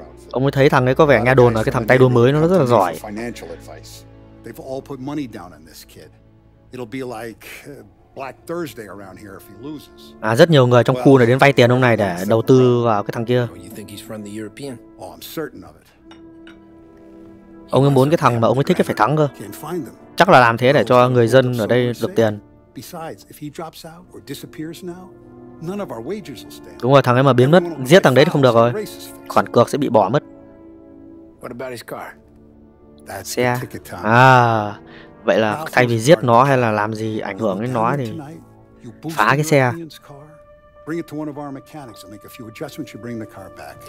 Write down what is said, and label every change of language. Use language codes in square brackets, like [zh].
[vi] Ông mới thấy thằng ấy có vẻ nghe đồn là cái thằng tay đua mới nó rất là giỏi. [en] They've all put money down on this kid. It'll be like Black Thursday around here if he loses. [vi] À, rất nhiều người trong khu này đến vay tiền ông này để đầu tư vào cái thằng kia. [en] Oh, I'm certain of it. [vi] Ông ấy muốn cái thằng mà ông ấy thích phải thắng cơ. Chắc là làm thế để cho người dân ở đây được tiền. [en] Besides, if he drops out or disappears now, none of our wagers will stand. [vi] Đúng rồi, thằng ấy mà biến mất, giết thằng đấy thì không được rồi. Khoản cược sẽ bị bỏ mất. [en] What about his car? That's [vi] xe. À, vậy là thay vì giết nó hay là làm gì ảnh hưởng đến nó thì phá cái xe. [en] Bring it to one of our mechanics and make a few adjustments, you bring the car back.